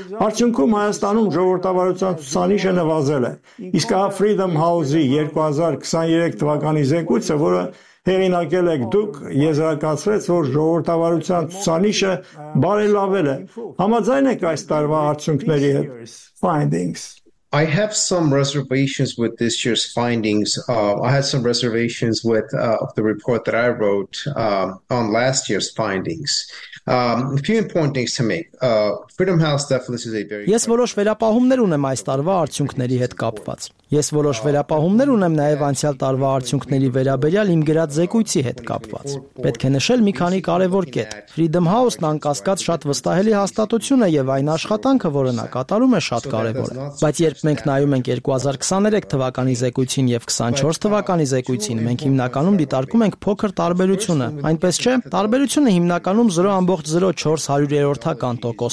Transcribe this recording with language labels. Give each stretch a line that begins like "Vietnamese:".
Armenian: Արդյունքում Հայաստանում ժողովրդավարության ցուցանիշը նվազել է, իսկ Freedom House-ի 2023 թվականի զեկույցը, որը հեղինակել եք դուք, եզրակացրեց, որ ժողովրդավարության ցուցանիշը բարելավել է։ Համաձայն եք այս տարվա արդյունքների հետ?
English: I have some reservations with this year's findings. I had some reservations with the report that I wrote on last year's findings. A few important things to make. Freedom House definitely is a very
Armenian: Ես որոշ վերապահումներ ունեմ այս տարվա արդյունքների հետ կապված։ Ես որոշ վերապահումներ ունեմ նաև անցյալ տարվա արդյունքների վերաբերյալ իմ գրած զեկույցի հետ կապված։ Պետք է նշել մի քանի կարևոր կետ։ Freedom House-ն անկասկած շատ վստահելի հաստատություն է եւ այն աշխատանքը, որը նա կատարում է, շատ կարևոր է։ Բայց երբ մենք նայում ենք 2023 թվականի զեկույցին եւ 24 թվականի զեկույցին, մենք հիմնականում դիտարկում ենք փոքր տարբերությունը։ Այնպես չէ, տարբերությունը հիմնականում 0.04%-ական